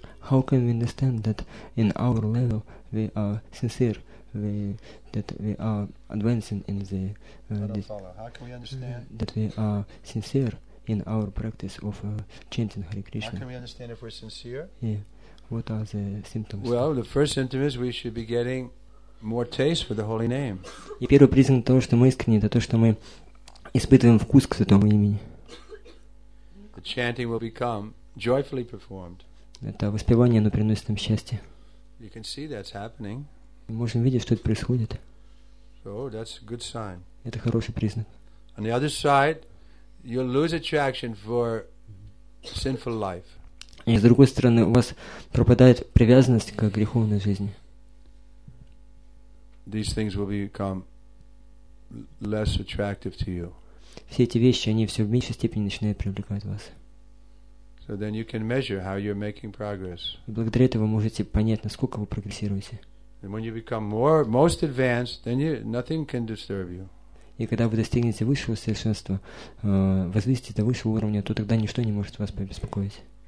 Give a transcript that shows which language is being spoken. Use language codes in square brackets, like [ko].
[en] How can we understand that in our level we are sincere, that we are advancing in the that we are sincere in our practice of chanting Hare Krishna? How can we understand if we're sincere? Yeah. What are the symptoms? Well, the first symptom is we should be getting more taste for the holy name. [ru] И первый признак того, что мы искренне, это то, что мы испытываем вкус к святому имени. [en] The chanting will become joyfully performed. [ru] Это воспевание, оно приносит нам счастье. [en] You can see that's happening. [ru] Мы можем видеть, что это происходит. [en] So that's a good sign. [ru] Это хороший признак. [en] On the other side, you'll lose attraction for sinful life. [ru] И с другой стороны, у вас пропадает привязанность к греховной жизни. [en] these things will become less attractive to you. [ru] Все эти вещи, они все в меньшей степени начинают привлекать вас. [en] So then you can measure how you're making progress. [ru] И благодаря этому вы можете понять, насколько вы прогрессируете. [en] And when you become more, most advanced, then you, nothing can disturb you. [ru] И когда вы достигнете высшего совершенства, возвысите до высшего уровня, то тогда ничто не может вас побеспокоить.